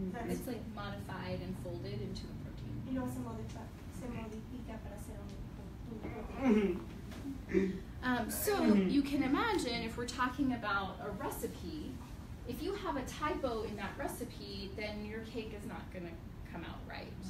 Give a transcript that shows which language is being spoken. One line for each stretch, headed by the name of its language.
English: it's like modified and folded into a protein.
Spanish: Y luego se modifica para hacer un protein.
English: So you can imagine, if we're talking about a recipe, if you have a typo in that recipe, then your cake is not going to come out right.